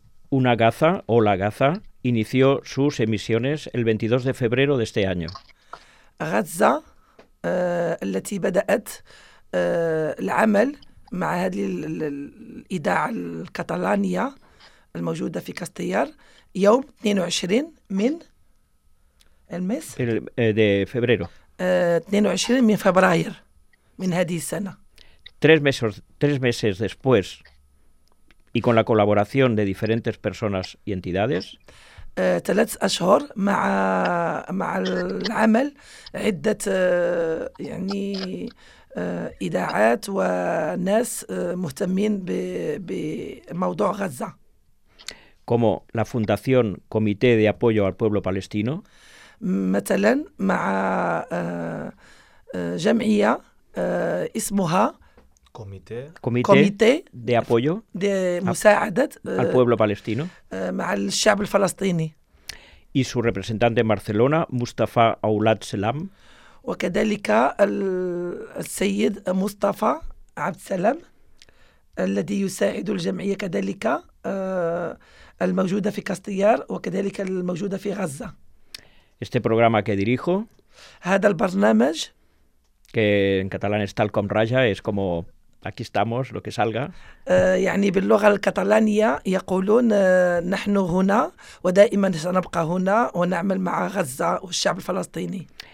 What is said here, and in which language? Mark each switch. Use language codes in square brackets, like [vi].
[es] Una Gaza o la Gaza inició sus emisiones el 22 de febrero de este año. [ar] غزة التي بدأت العمل مع هذه الإذاعة الكتالانية الموجودة في كاستيار يوم 22 من المس [es] de febrero. [ar] 22 من فبراير. من هذه السنة. [es] Tres meses después y con la colaboración de diferentes personas y entidades. [ar] ثلاث أشهر مع العمل عدة يعني إذاعات وناس مهتمين بموضوع غزة. [es] Como la Fundación Comité de Apoyo al Pueblo Palestino. [ar] مثلا مع جمعية اسمها [es] كوميتي de apoyo [ar] de مساعدة [es] al pueblo palestino [ar] مع الشعب الفلسطيني [es] y su representante en Barcelona Mustafa Aulad Salam [ar] وكذلك السيد مصطفى عبد السلام الذي يساعد الجمعية كذلك الموجودة في كاستيار وكذلك الموجودة في غزة. [es] Este programa que dirijo [ar] هذا البرنامج [es] que en catalán es [ca] tal com raja, [es] es como aquí estamos, lo que salga. [ar] يعني باللغة الكتالانية يقولون نحن هنا ودائما سنبقى هنا ونعمل مع غزة والشعب الفلسطيني.